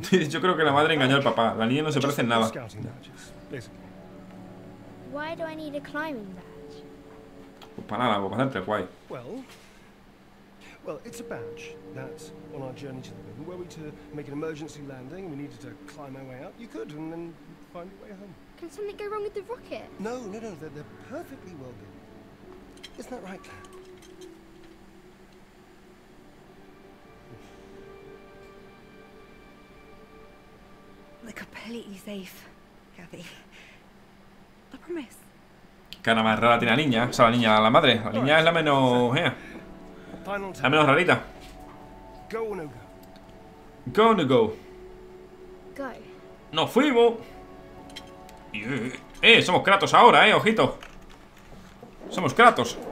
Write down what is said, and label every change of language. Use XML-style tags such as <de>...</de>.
<es>Yo creo que la madre engañó al papá. La niña no se parece en nada.</es> <en>Why do I need a climbing badge?</en> <es>Pues para nada, pues para hacerte guay.</es> <en>Well, Well, it's a badge that on our journey to the moon, were we to make an emergency landing and we needed to climb our way up, you could and then find your way home. Can something go wrong with the rocket? No, no, no, they're perfectly well built. Isn't that right, Claire? They're completely safe, Gabby. I promise.</en> <es>Que nada más rara tiene la niña, o sea, la niña, la madre. La niña es la menos... la menos rarita.</es> <en>Go or no go. Go or no go. Go.</en> <es>¡Nos fuimos! Yeah. Somos Kratos ahora, ojito. Somos Kratos.</es>